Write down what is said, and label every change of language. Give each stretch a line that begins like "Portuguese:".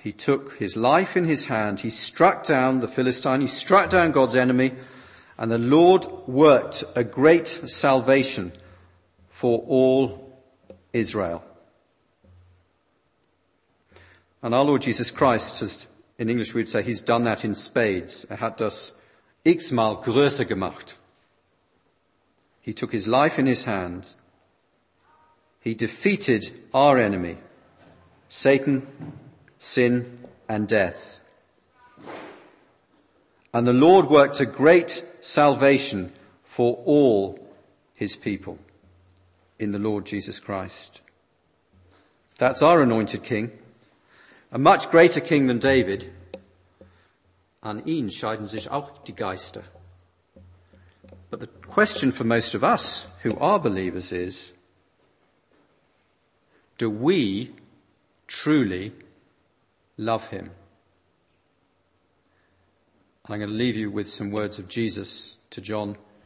English: He took his life in his hand. He struck down the Philistine. He struck down God's enemy. And the Lord worked a great salvation for all Israel. And our Lord Jesus Christ, as in English we'd say, he's done that in spades.
German: Er hat das x-mal größer gemacht.
English: He took his life in his hands. He defeated our enemy, Satan, sin, and death. And the Lord worked a great salvation for all his people in the Lord Jesus Christ. That's our anointed king, a much greater king than David.
German: An ihn scheiden sich auch die Geister.
English: But the question for most of us who are believers is, do we truly love him? And I'm going to leave you with some words of Jesus to John.